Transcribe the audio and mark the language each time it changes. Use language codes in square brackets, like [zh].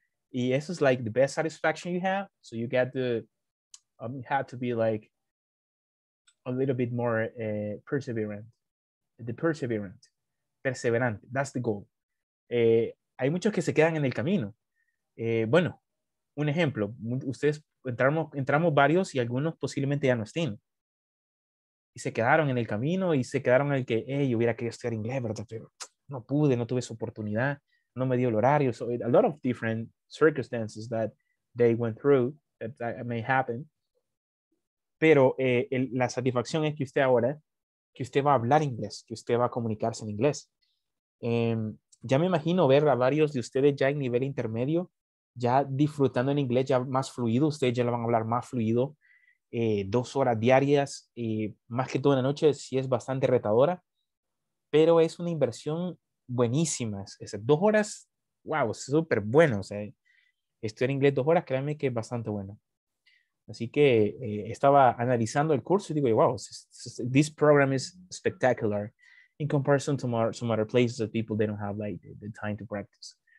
[es] Y eso es [en] like the best satisfaction you have. So you get to, have to be like a little bit more perseverant. The perseverant. Perseverante. That's the goal. [es] Hay muchos que se quedan en el camino. Bueno, un ejemplo. Ustedes entramos varios y algunos posiblemente ya no estén. Y se quedaron en el camino y se quedaron en el que, hey, hubiera querido estudiar inglés, ¿verdad? Pero no pude, no tuve esa oportunidad. No me dio el horario. [en] So a lot of different circumstances that they went through that may happen. [es] Pero la satisfacción es que usted ahora, que usted va a hablar inglés, que usted va a comunicarse en inglés. Ya me imagino ver a varios de ustedes ya en nivel intermedio, ya disfrutando en inglés, ya más fluido. Ustedes ya lo van a hablar más fluido. 2 horas diarias, más que todo en la noche, sí es bastante retadora. Pero es una inversión buenísima. Esas 2 horas, wow, es súper bueno. O sea, estudiar inglés 2 horas, créanme que es bastante bueno. Así que estaba analizando el curso y digo, [en] wow, this program is spectacular in comparison to some other places that people, they don't have like the time to practice.